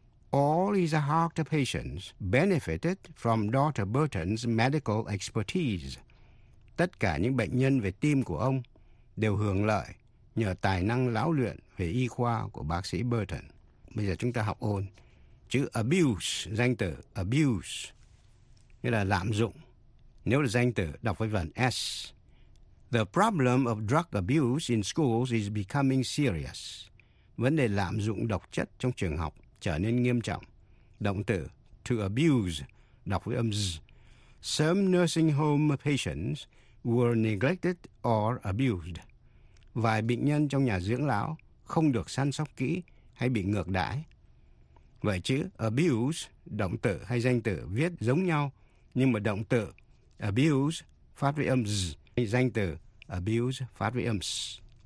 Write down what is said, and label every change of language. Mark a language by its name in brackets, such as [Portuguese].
[English] All his heart patients benefited from Dr. Burton's medical expertise. [Vietnamese] Tất cả những bệnh nhân về tim của ông đều hưởng lợi nhờ tài năng lão luyện về y khoa của bác sĩ Burton. Bây giờ chúng ta học ôn. Chữ abuse, danh từ abuse, nghĩa là lạm dụng. Nếu là danh từ, đọc với vần S. [English] The problem of drug abuse in schools is becoming serious. [Vietnamese] Vấn đề lạm dụng độc chất trong trường học trở nên nghiêm trọng. Động từ to abuse, đọc với âm Z. [English] Some nursing home patients were neglected or abused. [Vietnamese] Vài bệnh nhân trong nhà dưỡng lão không được săn sóc kỹ hay bị ngược đãi. Vậy chữ abuse, động từ hay danh từ viết giống nhau, nhưng mà động từ abuse phát với âm z, danh từ abuse phát với âm s.